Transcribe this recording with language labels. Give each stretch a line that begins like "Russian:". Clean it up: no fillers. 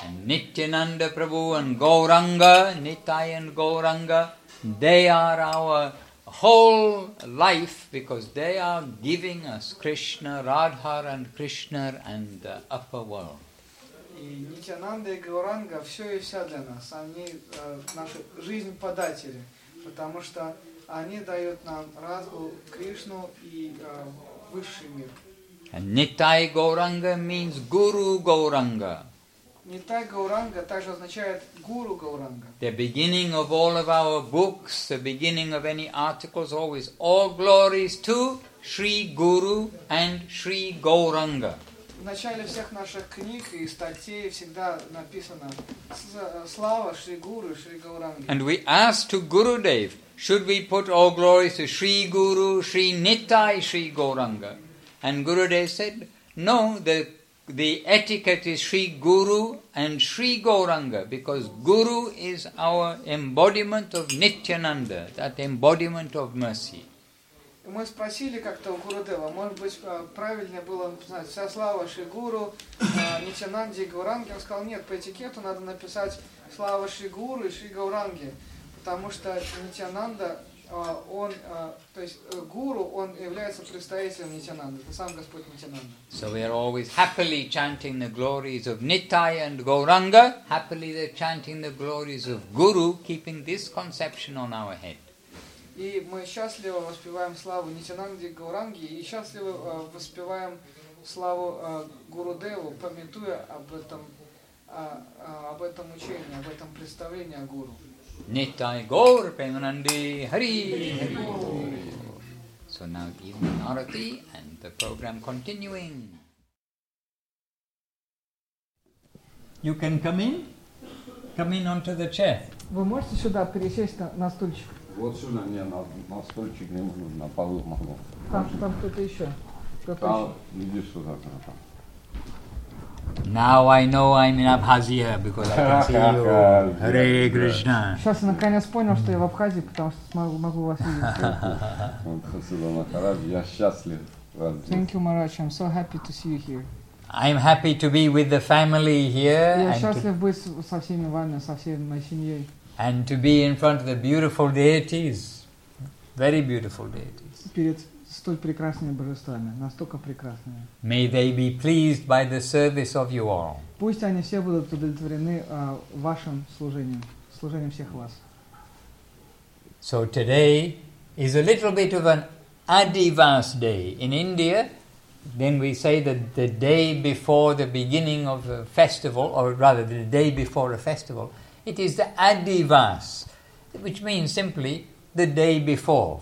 English: Nityananda Prabhu and Gauranga Nitya and Gauranga they are our whole life because they are giving us Krishna రాధార్ and Krishna and upper world.
Russian: И Нитянанда и Гауранга все и вся для нас. Они наши жизнь-податели, потому что они дают нам разум, Кришну и высший мир.
English: Нитай Гауранга means Гуру Гауранга.
Russian: Нитай Гауранга также означает Гуру Гауранга.
English: The beginning of all of our books, the beginning of any articles always all glories to Sri Guru and Sri Гауранга.
Russian: В начале всех наших книг и статей всегда написано слава Шри Гуру, Шри Гауранге.
English: And we ask to Gurudev, should we put all glories to Shri Guru, Shri Nitai, Shri Gauranga? And Gurudev said, no, the etiquette is Shri Guru and Shri Gauranga, because Guru is our embodiment of Nityananda, that embodiment of mercy.
Russian: Мы спросили как-то у Гурудева, может быть, правильнее было написать вся слава Шри Гуру, Нитянанде и Гауранге. Он сказал, нет, по этикету надо написать слава Шри Гуру и Шри Гауранге, потому что Нитянанда, он, то есть Гуру, он является представителем Нитянанды, это сам Господь Нитянанда.
English: So we are always happily chanting the glories of Nitai and Gauranga, happily they're chanting the glories of Guru, keeping this conception on our head.
Russian: И мы счастливо воспеваем славу Нитянанде и Гауранге, и счастливо воспеваем славу Гурудеву, памятуя об этом учении, об этом представлении о Гуру.
Bangla: Нитай Гаур Пеманди Хари.
English: So now evening arati and the program continuing. You can come in. Come in onto the chair.
Russian: Вы можете сюда пересесть на стульчик? Вот сюда, не, на стульчик не могу, на полу могу. Там кто-то еще. Там, иди сюда, там.
English: Now I know I'm in Abkhazia, because I can see you. Hare Krishna.
Russian: Сейчас я наконец понял, что я в Абхазии, потому что могу вас видеть. Спасибо, Махарадж, я счастлив.
English: Thank you, Maharaj, I'm so happy to see you here. I'm happy to be with the family here.
Russian: Я счастлив быть со всеми вами, со всей моей семьей.
English: And to be in front of the beautiful deities, very beautiful deities.
Russian: Перед столь прекрасными божествами, настолько прекрасными.
English: May they be pleased by the service of you all.
Russian: Пусть они все будут удовлетворены вашим служением, служением всех вас.
English: So today is a little bit of an Adivas day. In India, then we say that the day before the beginning of a festival, or rather the day before a festival, it is the Adivas, which means simply the day before.